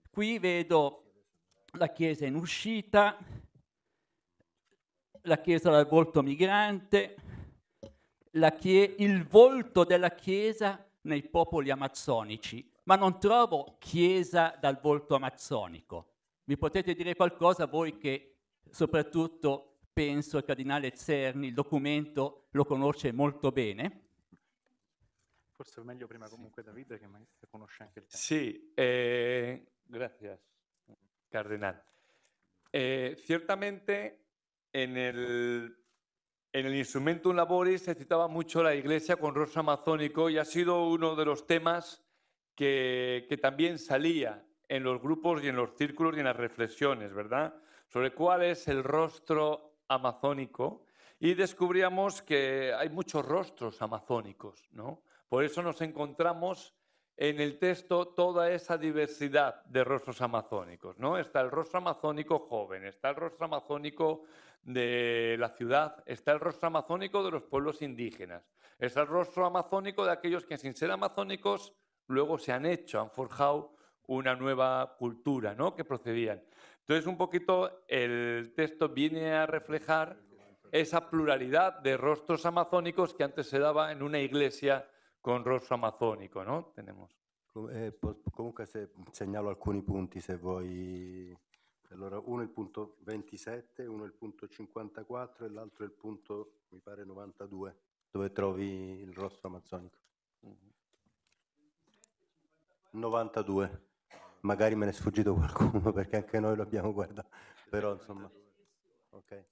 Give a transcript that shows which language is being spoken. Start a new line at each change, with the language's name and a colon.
Italian: Qui vedo la Chiesa in uscita, la Chiesa dal volto migrante, il volto della Chiesa nei popoli amazzonici, ma non trovo Chiesa dal volto amazzonico. Mi potete dire qualcosa voi che soprattutto penso il Cardinale Zerni, il documento lo conosce molto bene? Forse è meglio prima comunque Davide, che magari conosce anche il tema. Sì, grazie, Cardinale. Certamente, nel
Spanish: Instrumentum Laboris
Italian: se citava molto
Spanish: la Iglesia con rostro amazónico e ha sido uno de los temas che también salía en los grupos y en los círculos y en las reflexiones, ¿verdad? Sobre cuál es el rostro amazónico. Y descubríamos que hay muchos rostros amazónicos, ¿no? Por eso nos encontramos en el texto toda esa diversidad de rostros amazónicos, ¿no? Está el rostro amazónico joven, está el rostro amazónico de la ciudad, está el rostro amazónico de los pueblos indígenas, es el rostro amazónico de aquellos que sin ser amazónicos luego se han hecho, han forjado una nueva cultura, ¿no?, que procedían. Entonces, un poquito el texto viene a reflejar esa pluralidad de rostros amazónicos que antes se daba en una iglesia con rostro amazónico, ¿no? Tenemos.
Italian: Comunque se segnalo alcuni punti se vuoi. Allora, uno è il punto 27, uno è il punto 54 e l'altro è il punto, mi pare, 92, dove trovi il rostro amazzonico. 92. Magari me ne è sfuggito qualcuno perché anche noi lo abbiamo guardato, però insomma. Ok.